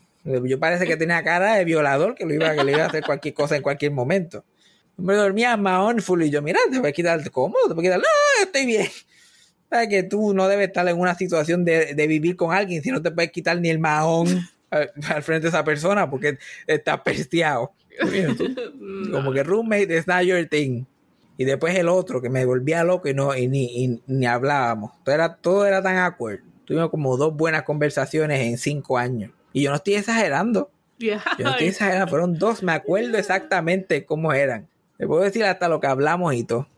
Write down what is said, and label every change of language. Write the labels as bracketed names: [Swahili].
[Spanish] Yo parece que tenía cara de violador, que le iba a hacer cualquier cosa en cualquier momento. Me dormía mindful y yo, mira, te voy a quitar el cómodo, te voy a quitar, no, estoy bien. ¿Sabes que tú no debes estar en una situación de vivir con alguien si no te puedes quitar ni el mahón al frente de esa persona porque estás pesteado? Como que [English] roommate is not your thing. [Spanish] Y después el otro que me volvía loco y ni hablábamos. Todo era tan awkward. Tuvimos como dos buenas conversaciones en 5 años. Y yo no estoy exagerando. Yeah. Yo no estoy exagerando. Fueron dos. Me acuerdo exactamente cómo eran. Te puedo decir hasta lo que hablamos y todo.